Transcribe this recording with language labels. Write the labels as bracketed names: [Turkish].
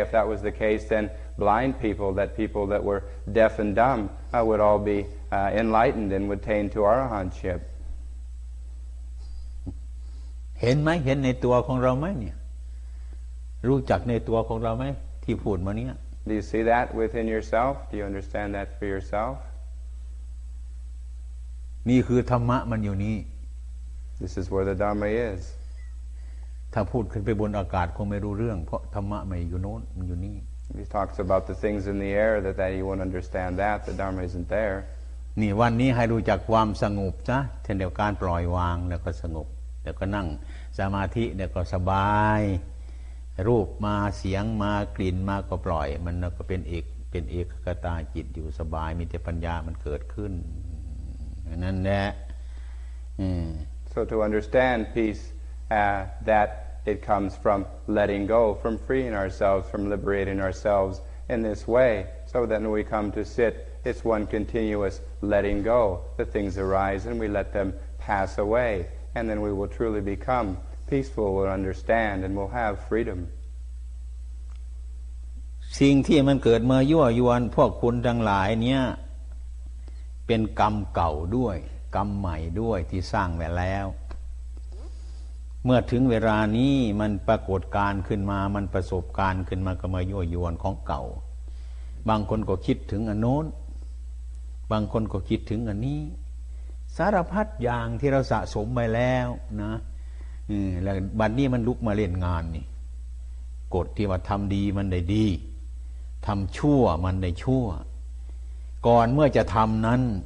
[English] If that was the case, then blind people, that people that were deaf and dumb, would all be enlightened and would attain to arahantship. [Thai] เห็นไหมเห็นในตัวของเราไหมเนี่ยรู้จักในตัวของเราไหมที่พูดมาเนี่ย [English] Do you see that within yourself? Do you understand that for yourself? [Thai] นี่คือธรรมะมันอยู่นี่ [English] This is where the Dharma is. [Thai] ถ้าพูดขึ้นไปบนอากาศคงไม่รู้เรื่องเพราะธรรมะมันอยู่โน้นมันอยู่นี่ [English] He talks about the things in the air that you won't understand that the Dharma isn't there. [Thai] นี่วันนี้ให้รู้จักความสงบซะเช่นเดียวกันปล่อยวางแล้วก็สงบแล้วก็นั่งสมาธิแล้วก็สบายรูปมาเสียงมากลิ่นมาก็ปล่อยมันก็เป็นเอกคตาจิตอยู่สบายมีแต่ปัญญามันเกิดขึ้นนั่นแหละ [English] So to understand peace that it comes from letting go from freeing ourselves from liberating ourselves in this way so that when we come to sit it's one continuous letting go the things arise and we let them pass away and then we will truly becomePeaceful will understand and will have freedom. [Thai] สิ่งที่มันเกิดมายั่วยวนพวกคุณทั้งหลายเนี่ยเป็นกรรมเก่าด้วยกรรมใหม่ด้วยที่สร้างไว้แล้ว เมื่อถึงเวลานี้มันปรากฏการขึ้นมามันประสบการขึ้นมากับมายั่วยวนของเก่าบางคนก็คิดถึงอันโน้นบางคนก็คิดถึงอันนี้สารพัดอย่างที่เราสะสมไว้แล้วนะแล้วบัดนี้มันลุกมาเล่นงานนี่กฎที่ว่าทำดีมันได้ดีทำชั่วมันได้ชั่วก่อนเมื่อจะทำนั้น